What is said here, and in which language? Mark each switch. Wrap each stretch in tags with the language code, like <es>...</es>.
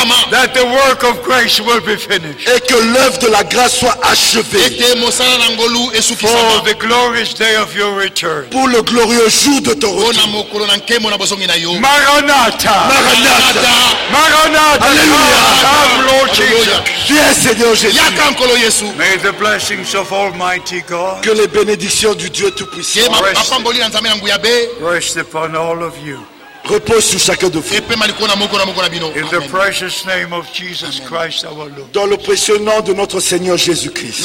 <en>That the work of grace will be finished.</en> <fr>Et que l'œuvre de la grâce soit achevée.</fr> <en>For the glorious day of your return.</en> <fr>Pour le glorieux jour de ton retour.</fr> <en>Maranatha. Maranatha. Maranatha.</en> <fr>Alléluia.</fr> <en>Lord Jesus.</en> <fr>Viens, Seigneur Jésus.</fr> <en>May the blessings of Almighty God.</en> <fr>Que les bénédictions du Dieu Tout-Puissant</fr> <en>rest upon all of you.</en> <fr>Repose sur chacun de vous.</fr> <en>In the precious name of Jesus Christ, our Lord.</en> <fr>Dans le précieux nom de notre Seigneur Jésus-Christ.</fr>